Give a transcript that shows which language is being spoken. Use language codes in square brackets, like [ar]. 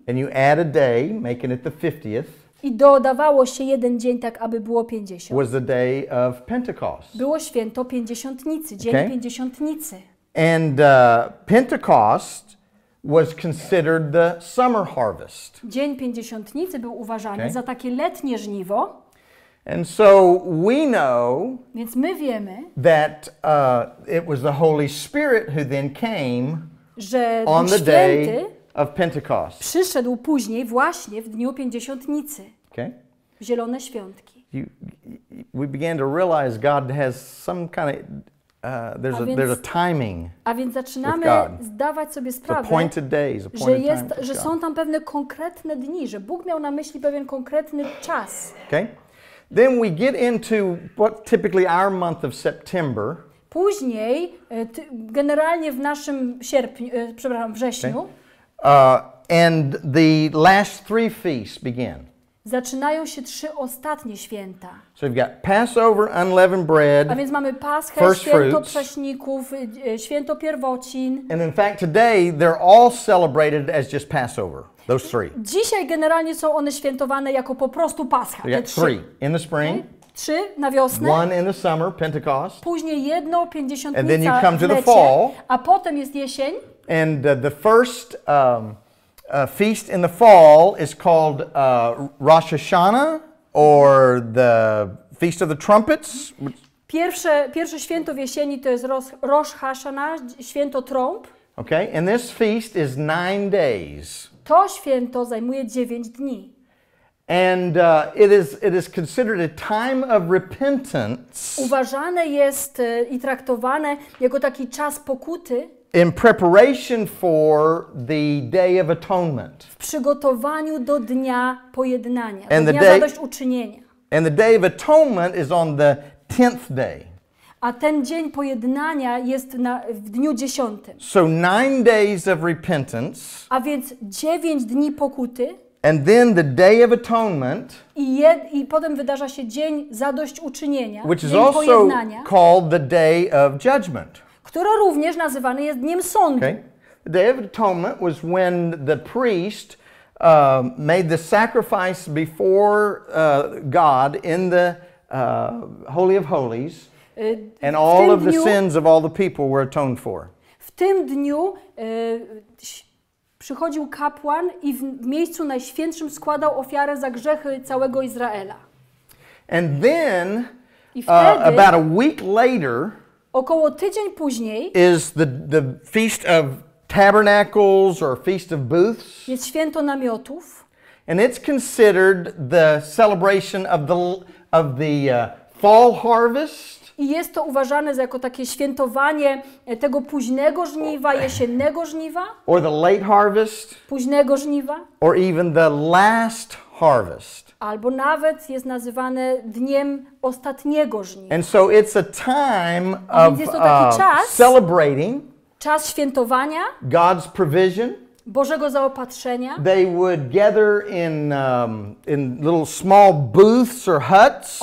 [en] And you add a day, making it the 50th. [pl] I dodawało się jeden dzień, tak aby było 50. [en] Was the day of Pentecost. [pl] Było święto pięćdziesiątnicy, dzień pięćdziesiątnicy. [en] And Pentecost was considered the summer harvest. [pl] Dzień pięćdziesiątnicy był uważany za takie letnie żniwo. [en] And so we know [pl] Więc my wiemy, [en] that it was the Holy Spirit who then came [pl] że [en] on [pl] Święty [en] the day of Pentecost. [pl] Przyszedł później właśnie w dniu Pięćdziesiątnicy. [en] Okay. [pl] W Zielone Świątki. [en] We began to realize God has some kind of there's a timing. [pl] A więc zaczynamy zdawać sobie sprawę, [en] appointed days, appointed [pl] że jest, [en] time [pl] że są tam pewne konkretne dni, że Bóg miał na myśli pewien konkretny czas. [en] Okay. Then we get into what typically our month of September. [pl] Później generalnie w naszym sierpniu, przepraszam, wrześniu. [en] And the last three feasts begin. [pl] Zaczynają się trzy ostatnie święta. [en] So we've got Passover, unleavened bread. [pl] A więc mamy Paschę, [en] first [pl] święto [en] fruits. [pl] Prześników, święto pierwocin. [en] And in fact today they're all celebrated as just Passover. Those three. [pl] Dzisiaj generalnie są one świętowane jako po prostu Pascha. [en] We got three in the spring. [pl] Trzy na wiosnę. [en] One in the summer, Pentecost. [pl] Później jedno, Pięćdziesiątnica. [en] And then you come to the fall. [pl] A potem jest jesień. [en] And the first feast in the fall is called Rosh Hashanah or the Feast of the Trumpets. [pl] Pierwsze święto w jesieni to jest Rosh Hashanah, święto trąb. [en] Okay, and this feast is 9 days. [pl] To święto zajmuje 9 dni. [en] And it is considered a time of repentance. [pl] Uważane jest i traktowane jako taki czas pokuty. [en] In preparation for the Day of Atonement. [pl] W przygotowaniu do Dnia Pojednania, and do Dnia Zadośćuczynienia. [en] And the Day of Atonement is on the 10th day. [pl] A ten Dzień Pojednania jest w dniu 10. [en] So 9 days of repentance. [pl] A więc 9 dni pokuty. [en] And then the Day of Atonement. [pl] I potem wydarza się Dzień Zadośćuczynienia, [en] which [pl] Dzień [en] is [pl] Pojednania. [en] Also called the Day of Judgment. [pl] Która również nazywany jest Dniem Sądu. [en] Okay. The Day of Atonement was when the priest made the sacrifice before God in the Holy of Holies and all of the sins of all the people were atoned for. [pl] W tym dniu przychodził kapłan i w miejscu najświętszym składał ofiarę za grzechy całego Izraela. [en] And then, [pl] wtedy, [en] about a week later, [pl] około tydzień później [en] is the Feast of Tabernacles or Feast of Booths. [pl] Jest święto namiotów. [en] And it's considered the celebration of the fall harvest. [pl] I jest to uważane za jako takie świętowanie tego późnego żniwa, jesiennego żniwa. [en] Or the late harvest. [pl] Późnego żniwa. [en] Or even the last harvest. [pl] Albo nawet jest nazywane dniem ostatniego żniwa. [en] And so it's a time of celebrating. [pl] Czas świętowania. [en] God's provision. [pl] Bożego zaopatrzenia. [en] They would gather in little small booths or huts.